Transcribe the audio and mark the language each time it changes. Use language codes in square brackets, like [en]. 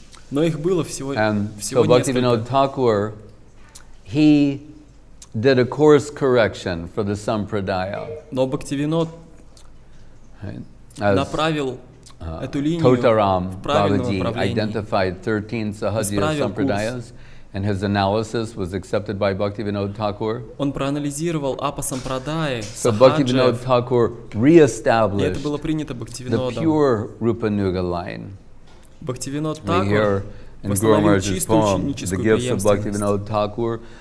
[ru] Но их было всего несколько. [en] So Bhaktivinoda Thakur, he did a course correction for the Sampradaya. [ru] Но Бхактивинод направил эту линию Totaram в правильном направлении. Исправил курс. [en] And his analysis was accepted by Bhaktivinoda Thakur. [ru] Он проанализировал апа сампрадаи. [en] So Bhaktivinoda Thakur reestablished. [ru] Это было принято Бхактивинодом. [en] The pure Rupanuga line. [ru] Бхактивинод Такур восстановил чистую ученическую преемственность.